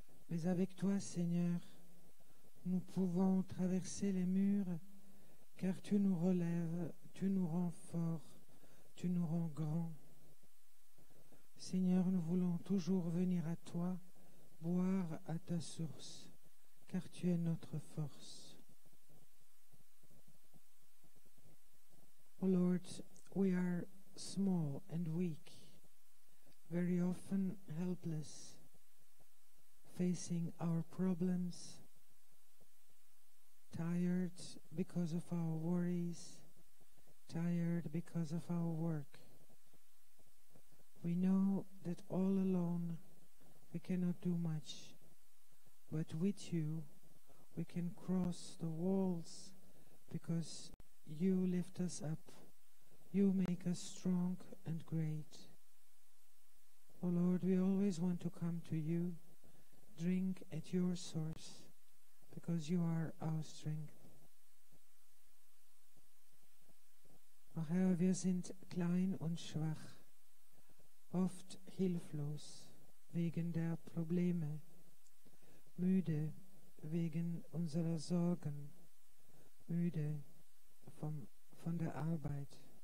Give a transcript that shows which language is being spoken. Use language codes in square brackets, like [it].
[fr] Mais avec toi, Seigneur, nous pouvons traverser les murs, car tu nous relèves, tu nous rends forts, tu nous rends grands. Seigneur, nous voulons toujours venir à toi, boire à ta source, car tu es notre force. [en] O Lord, we are small and weak, very often helpless, facing our problems, tired because of our worries, tired because of our work. We know that all alone we cannot do much, but with you we can cross the walls because you lift us up, you make us strong and great. O Lord, we always want to come to you, drink at your source, because you are our strength. [de] O Herr, wir sind klein und schwach, oft hilflos wegen der Probleme, müde wegen unserer Sorgen, müde von der Arbeit.